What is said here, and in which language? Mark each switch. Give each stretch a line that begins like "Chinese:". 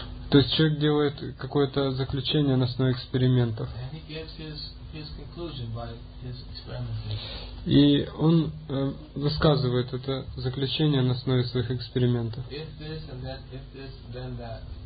Russian: То есть человек делает какое-то заключение на основе экспериментов.
English: And he gives his conclusion by his experimentation.
Russian: И он высказывает это заключение на основе своих экспериментов.
English: If this, and that, if this, then that.